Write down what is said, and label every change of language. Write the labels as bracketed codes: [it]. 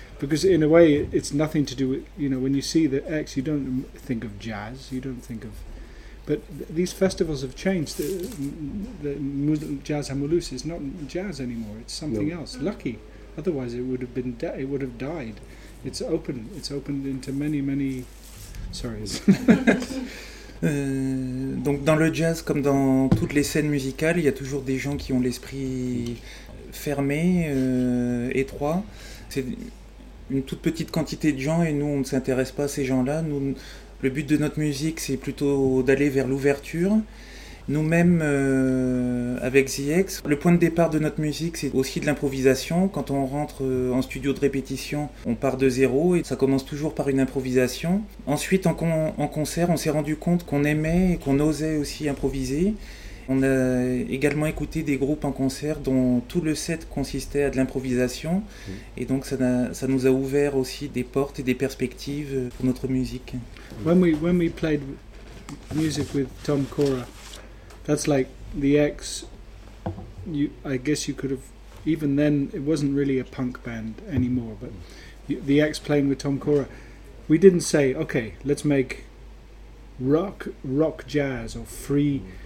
[en] Because in a way, it's nothing to do with, you know, when you see the X, you don't think of jazz, you don't think of... But these festivals have changed. The Jazz à Mulhouse is not jazz anymore, it's something else. Lucky. Otherwise, it would have died. It's open. It's opened into many, many... Sorry. [fr] Donc dans le jazz, comme dans toutes les scènes musicales, il y a toujours des gens qui ont l'esprit fermé, étroit. C'est... une toute petite quantité de gens, et nous on ne s'intéresse pas à ces gens-là. Nous, le but de notre musique, c'est plutôt d'aller vers l'ouverture. Nous-mêmes, avec ZX, le point de départ de notre musique, c'est aussi de l'improvisation. Quand on rentre en studio de répétition, on part de zéro, et ça commence toujours par une improvisation. Ensuite, en concert, on s'est rendu compte qu'on aimait et qu'on osait aussi improviser. On a également écouté des groupes en concert dont tout le set consistait à de l'improvisation. Et donc ça nous a ouvert aussi des portes et des perspectives pour notre musique. [en] When we played music with Tom Cora, that's like the X. I guess you could have, even then it wasn't really a punk band anymore, but the X playing with Tom Cora, we didn't say, okay, let's make rock jazz or free.